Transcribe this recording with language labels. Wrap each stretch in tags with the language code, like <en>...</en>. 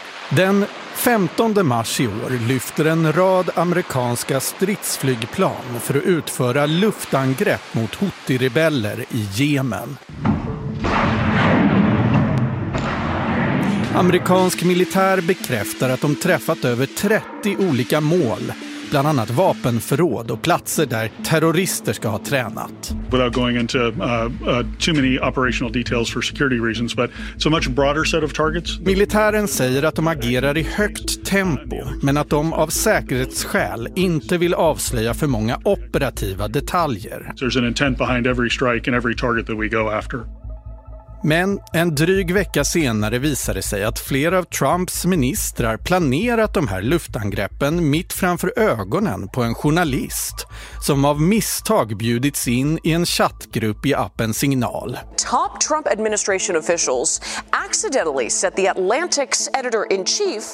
<sv>Den 15 mars i år lyfter en rad amerikanska stridsflygplan för att utföra luftangrepp mot Houthi-rebeller i Jemen. Amerikansk militär bekräftar att de träffat över 30 olika mål, bland annat vapenförråd och platser där terrorister ska ha tränat.</sv> <en>Without going into too many operational details for security reasons, but it's a much broader set of targets.</en> <sv>Militären säger att de agerar i högt tempo, men att de av säkerhetsskäl inte vill avslöja för många operativa detaljer.</sv> <en>So there's an intent behind every strike and every target that we go after.</en> <sv>Men en dryg vecka senare visade sig att flera av Trumps ministrar planerat de här luftangreppen mitt framför ögonen på en journalist som av misstag bjudits in i en chattgrupp i appen Signal.</sv> <en>Top Trump administration officials accidentally set the Atlantic's editor-in-chief.</en>